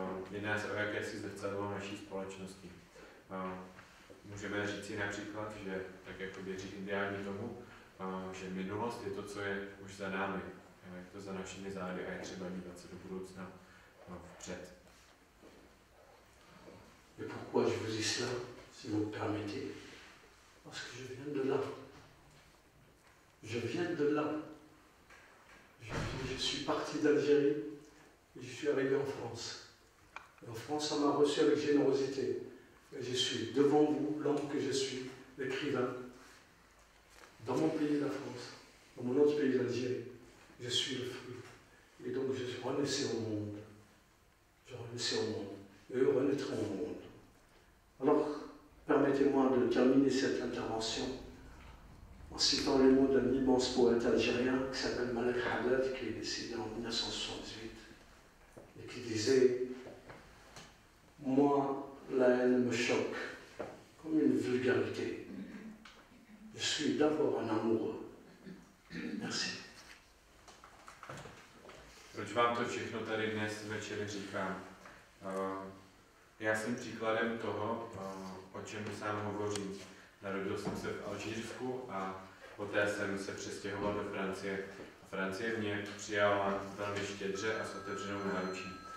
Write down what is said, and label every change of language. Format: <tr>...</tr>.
<cs>Jedná se o jakési zrcadlo naší společnosti. Můžeme říci například, že tak jako věří ideální tomu, že minulost je to, co je už za námi, je to za našimi zády a je třeba dívat se do budoucna vpřed.</cs> <fr>Et pourquoi je vous dis cela, si vous me permettez? Parce que je viens de là. Je viens de là. Je suis parti d'Algérie et je suis arrivé en France. Et en France, on m'a reçu avec générosité. Et je suis devant vous, l'homme que je suis, l'écrivain, dans mon pays, la France, dans mon autre pays, l'Algérie. Je suis le fruit. Et donc, je suis renaissé au monde. Je renaissé au monde. Et eux renaîtront au monde. Alors, permettez-moi de terminer cette intervention en citant les mots d'un immense poète algérien qui s'appelle Malek Haddad, qui est décédé en 1978, et qui disait « Moi, la haine me choque comme une vulgarité. Je suis d'abord un amoureux. Merci. »</fr> <cs>Proč vám to všechno tady dnes večer říkám? Já jsem příkladem toho, o čem sám hovořím. Narodil jsem se v Alžírsku a poté jsem se přestěhoval do Francie. Francie mě přijala velmi štědře a s otevřenou náručí.</cs>